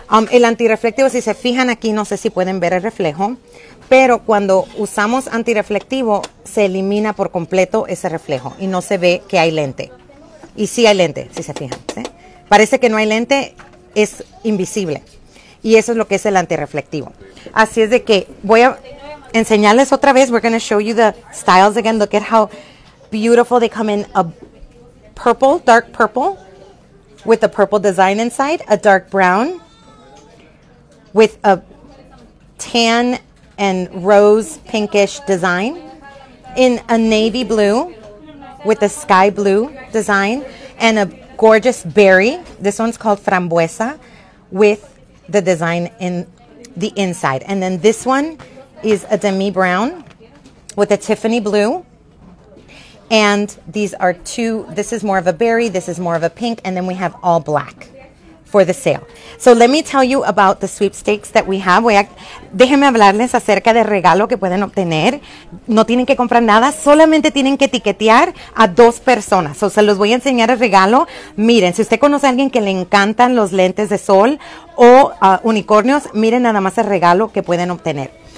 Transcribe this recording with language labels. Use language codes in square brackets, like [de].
[es] El antirreflectivo, si se fijan aquí, no sé si pueden ver el reflejo, pero cuando usamos antirreflectivo, se elimina por completo ese reflejo y no se ve que hay lente. Y sí hay lente, si se fijan. ¿Sí? Parece que no hay lente, es invisible. Y eso es lo que es el antirreflectivo. Así es de que voy a enseñarles otra vez. [en] We're going to show you the styles again. Look at how beautiful they come in. A purple, dark purple with a purple design inside. A dark brown with a tan and rose pinkish design. In a navy blue with a sky blue design. And a gorgeous berry. This one's called frambuesa with the design in the inside. And then this one is a demi brown with a Tiffany blue. And these are two, this is more of a berry, this is more of a pink, and then we have all black for the sale. So let me tell you about the sweepstakes that we have. [es] Déjenme hablarles acerca del regalo que pueden obtener. No tienen que comprar nada, solamente tienen que etiquetear a dos personas. So, se los voy a enseñar el regalo. Miren, si usted conoce a alguien que le encantan los lentes de sol o unicornios, miren nada más el regalo que pueden obtener.